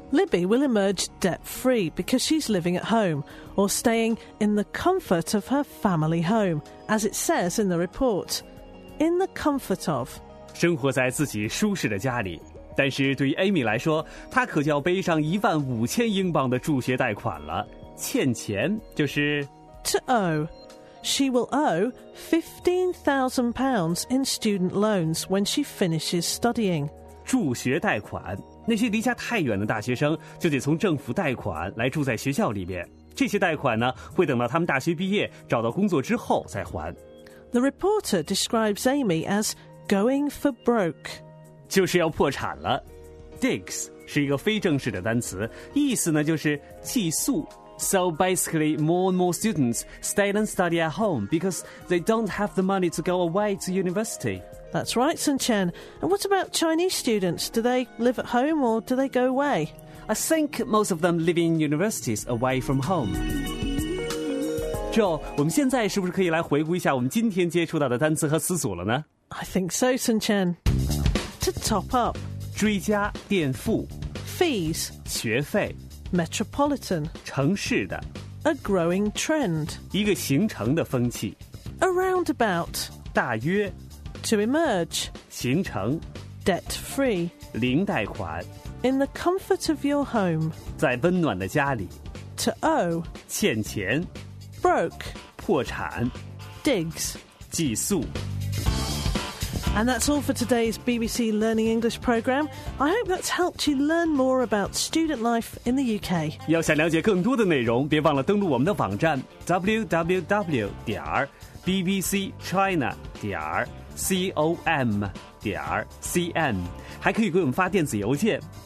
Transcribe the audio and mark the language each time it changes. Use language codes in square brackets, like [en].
[en] Libby will emerge debt-free because she's living at home, or staying in the comfort of her family home, as it says in the report. In the comfort of. [zh] 生活在自己舒适的家里, 但是对于Amy来说, 她可就要背上15,000英镑的助学贷款了. 欠钱就是... [en] To owe. She will owe £15,000 in student loans when she finishes studying. [zh] 助学贷款, 那些离家太远的大学生就得从政府贷款来住在学校里面, 这些贷款呢, 会等到他们大学毕业, 找到工作之后再还。 [en] The reporter describes Amy as going for broke. [zh] 就是要破产了。 Digs 是一个非正式的单词, 意思呢就是寄宿。 [en] So basically, more and more students stay and study at home because they don't have the money to go away to university. That's right, Sun Chen. And what about Chinese students? Do they live at home or do they go away? I think most of them live in universities away from home. [zh] Joe, 我们现在是不是可以来回顾一下我们今天接触到的单词和词组了呢? [en] I think so, Sun Chen. To top up. [zh] 追加垫付. [en] Fees. [zh] 学费. [en] Metropolitan. [zh] 城市的. [en] A growing trend. [zh] 一个形成的风气. [en] A roundabout. [zh] 大约. [en] To emerge, [zh] 形成, [en] debt-free, [zh] 零贷款, [en] in the comfort of your home, [zh] 在温暖的家里, [en] to owe, [zh] 欠钱, [en] broke, [zh] 破产, [en] digs, [zh] 寄宿. [en] And that's all for today's BBC Learning English programme. I hope that's helped you learn more about student life in the UK. [zh] 要想了解更多的内容, 别忘了登录我们的网站, www.bbcchina.com.cn 还可以给我们发电子邮件